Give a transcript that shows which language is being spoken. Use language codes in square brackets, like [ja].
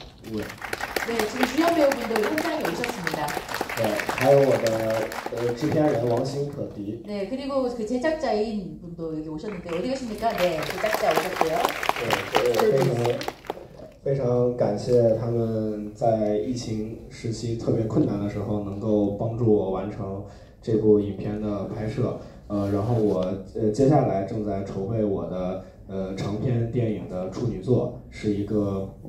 [zh] 吴伟。对，请主要配合我们的工匠有请。 네, 还有我的 制片人王星可迪. [ko] 네, 그리고 그 제작자인 분도 여기 오셨는데 어디 계십니까? 네, 제작자 오셨고요. [zh] 非常感谢他们在疫情时期特别困难的时候能够帮助我完成这部影片的拍摄，然后我接下来正在筹备我的长篇电影的处女作，是一个。